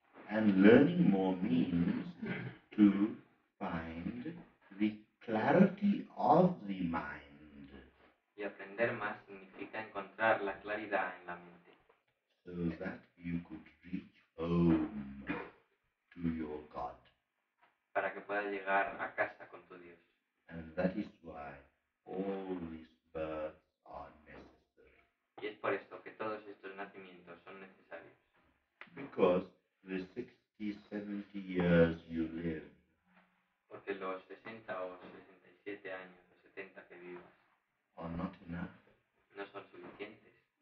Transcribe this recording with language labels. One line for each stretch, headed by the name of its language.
English: and learning more means to find the clarity of the mind.
Spanish: Y aprender más significa encontrar la claridad en la mente.
English: So that you could reach home to your God.
Spanish: Para que puedas llegar a casa con tu Dios.
English: And that is why all these births are necessary.
Spanish: Y es por esto que todos estos nacimientos son necesarios.
English: Because the 60, 70 years you live.
Spanish: Porque los 60 o 67 años, los 70 que vivas,
English: are not enough.
Spanish: No son suficientes.